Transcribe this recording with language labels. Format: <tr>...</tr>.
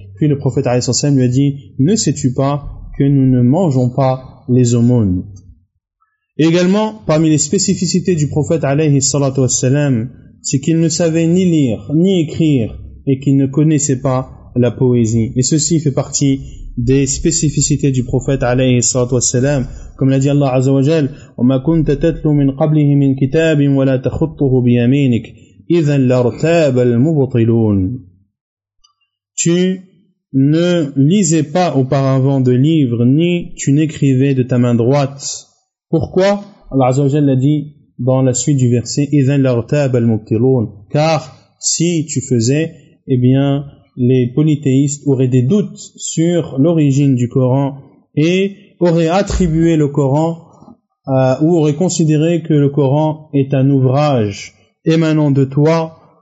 <fr>Puis le prophète alayhi salatu wa salam lui a dit, ne sais-tu pas que nous ne mangeons pas les aumônes. Et également, parmi les spécificités du prophète alayhi salatu wa salam, c'est qu'il ne savait ni lire, ni écrire, et qu'il ne connaissait pas la poésie. Et ceci fait partie des spécificités du prophète alayhi salatu wa salam. Comme l'a dit Allah Azza wa Jal,</fr> <ar>وَمَا كُنْتَ تَتْلُو مِنْ قَبْلِهِ مِنْ كِتَابٍ وَلَا تَخُطُّهُ بِيَمِينِكَ إِذَا لَرْتَابَ الْمُبْطِلُونَ.</ar> <fr>Tu ne lisais pas auparavant de livres, ni tu n'écrivais de ta main droite. Pourquoi? Allah Azza wa Jal l'a dit dans la suite du verset,</fr> <ar>إِذَا لَرْتَابَ الْمُبْطِلُونَ.</ar> <fr>Car si tu faisais, eh bien, les polythéistes auraient des doutes sur l'origine du Coran et auraient attribué le Coran ou auraient considéré que le Coran est un ouvrage émanant de toi.</fr>